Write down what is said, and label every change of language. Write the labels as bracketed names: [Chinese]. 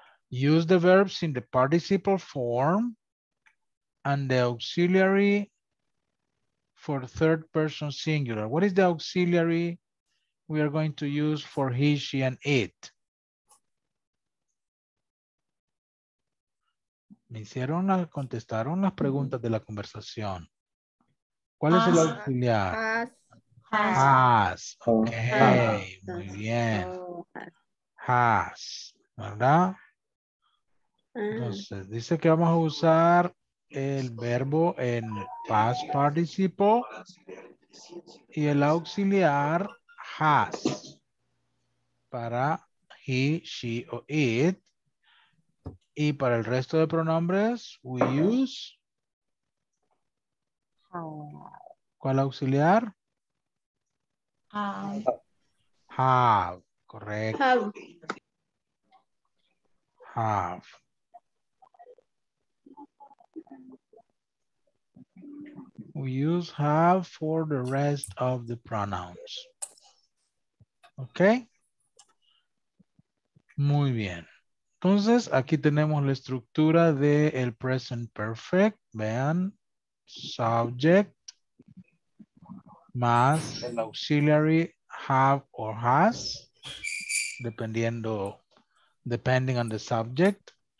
[English] Use the verbs in the participle form and the auxiliary for third person singular. What is the auxiliary we are going to use for he, she, and it? [Spanish] Me hicieron la, contestaron las preguntas de la conversación. ¿Cuál es el auxiliar? [English] Has. [Spanish] Okay, muy bien. [English] Has, [Spanish] ¿verdad? Entonces, dice que vamos a usar el verbo en [English] past participle [Spanish] y el auxiliar has para [English] he, she, or it. [Spanish] Y para el resto de pronombres, [English] we use. [Spanish] ¿Cuál auxiliar? [English] Have. [Spanish] Correcto. [English] Have. We use have for the rest of the pronouns. Okay. [Spanish] Muy bien. Entonces, aquí tenemos la estructura de el present perfect. Vean, subject más el auxiliary [English] have or has, [Spanish] dependiendo, [English] depending on the subject.